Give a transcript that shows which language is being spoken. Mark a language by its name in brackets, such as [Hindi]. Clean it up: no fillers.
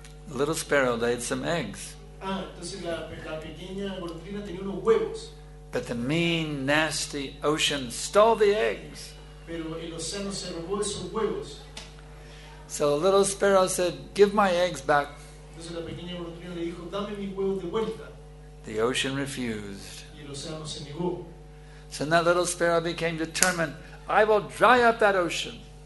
[Spanish] Entonces la pequeña golondrina tenía unos huevos. [English] But the mean, nasty ocean stole the eggs. [Spanish] Pero el océano se robó esos huevos. [English] So the little sparrow said, "Give my eggs back." [Spanish] Entonces la pequeña golondrina le dijo, "Dame mis huevos de vuelta." [English] The ocean refused. [Spanish] Y el océano se negó. [English] So that little sparrow became determined, "I will dry up that ocean."